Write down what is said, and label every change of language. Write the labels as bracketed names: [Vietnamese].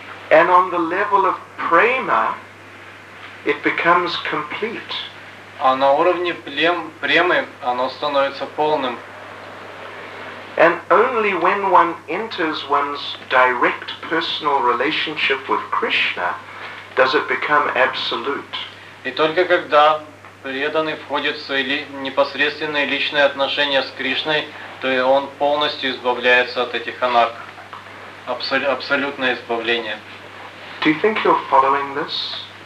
[English] And on the level of prema, it becomes complete. [Russian] А на уровне премы оно становится полным. [English] And only when one enters one's direct personal relationship with Krishna does it become absolute. [Russian] И только когда преданный входит в свои непосредственные личные отношения с Кришной, то он полностью избавляется от этих анарх. Абсолютное избавление. [English] Do you think you're following this?